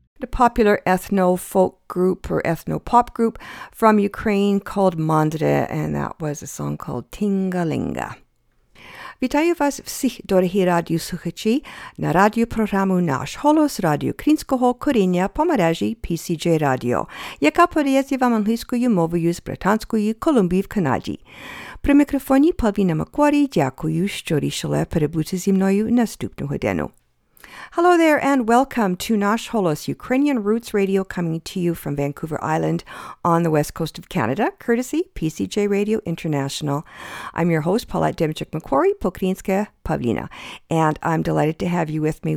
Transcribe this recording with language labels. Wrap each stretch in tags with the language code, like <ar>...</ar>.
<en>Popular ethno-folk group or ethno-pop group from Ukraine called Mandre, and that was a song called Tingalinga.</en> <uk>Вітаю вас всіх, дорогі радіослухачі, на радіопрограму «Наш голос» радіо українського коріння по мережі PCJ Radio, яка подається вам англійською мовою з Британської Колумбії в Канаді. При мікрофоні Павіна Макварі, дякую, що рішили перебути зі мною наступну годину.</uk> <en>Hello there and welcome to Nash Holos, Ukrainian Roots Radio, coming to you from Vancouver Island on the west coast of Canada, courtesy PCJ Radio International. I'm your host, Paulette Demchuk-Macquarie, Pokrinska Pavlina, and I'm delighted to have you with me.</en>